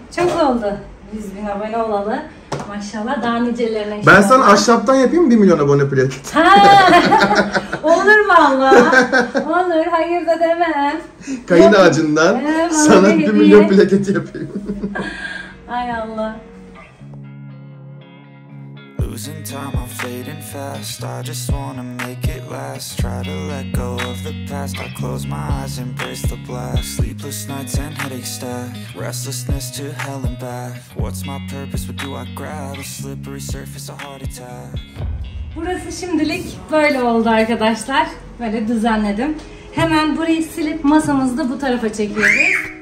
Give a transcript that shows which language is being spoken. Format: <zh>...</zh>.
<tr>Çok oldu. 100 bin abone olalı. Maşallah daha nicelerine. Ben sana ahşaptan yapayım mı 1 milyon abone plaketi? Ha, olur mu Allah? Olur, hayır da demem. Kayın ağacından sana 1 milyon plaketi yapayım. Ay Allah.</tr> <en>Losing time, I'm fading fast. I just wanna make it last. Try to let go of the past. I close my eyes, embrace the blast. Sleepless nights and headache stack. Restlessness to hell and back. What's my purpose? What do I grab? A slippery surface, a heart attack.</en> <tr>Burası şimdilik böyle oldu arkadaşlar. Böyle düzenledim. Hemen burayı silip masamızı da bu tarafa çekiyoruz.</tr>